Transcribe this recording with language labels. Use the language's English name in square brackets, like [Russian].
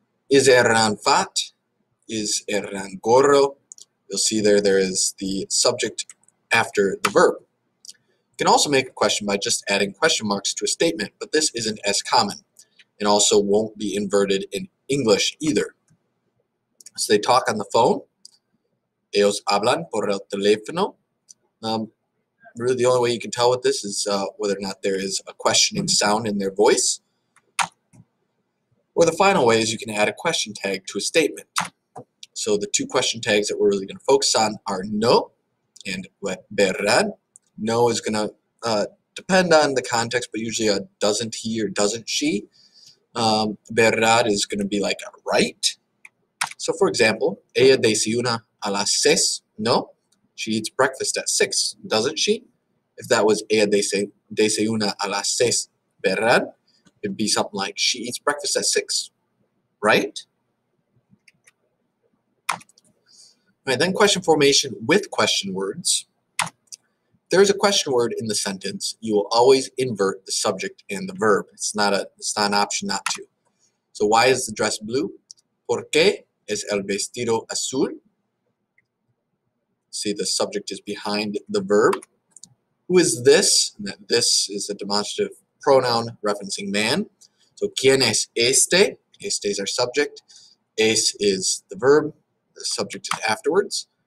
[English] Is Hernán fat? Is Hernán gordo? You'll see there is the subject after the verb. You can also make a question by just adding question marks to a statement, but this isn't as common and also won't be inverted in English either. So they talk on the phone. [Spanish] Ellos hablan por el teléfono. [English] Really, the only way you can tell with this is whether or not there is a questioning sound in their voice. Or the final way is you can add a question tag to a statement. So the two question tags that we're really going to focus on are no and verdad. No is going to depend on the context, but usually a doesn't he or doesn't she. Verdad is going to be like a right. So for example, ella desayuna a las seis. No, she eats breakfast at six, doesn't she? If that was ella desayuna a las seis, verdad, it'd be something like she eats breakfast at six, right? All right, then question formation with question words. If there is a question word in the sentence, you will always invert the subject and the verb. It's not an option not to. So why is the dress blue? [Spanish] ¿Por qué es el vestido azul? [English] See, the subject is behind the verb. Who is this? This is a demonstrative pronoun referencing man. So ¿quién es este? Este is our subject. Es is the verb. The subject is afterwards.